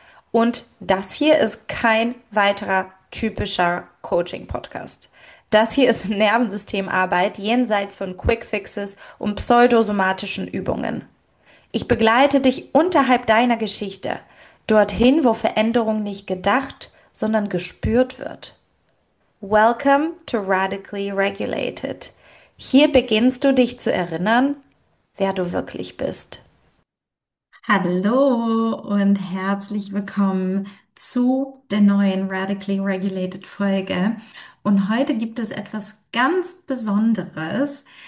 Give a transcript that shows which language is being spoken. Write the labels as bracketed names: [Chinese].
[German] Und das hier ist kein weiterer typischer Coaching-Podcast. Das hier ist Nervensystemarbeit jenseits von Quickfixes und pseudosomatischen Übungen. Ich begleite dich unterhalb deiner Geschichte, dorthin, wo Veränderung nicht gedacht, sondern gespürt wird. [English] Welcome to Radically Regulated. [German] Hier beginnst du dich zu erinnern, wer du wirklich bist. Hallo und herzlich willkommen zu der neuen Radically Regulated Folge. Und heute gibt es etwas ganz Besonderes.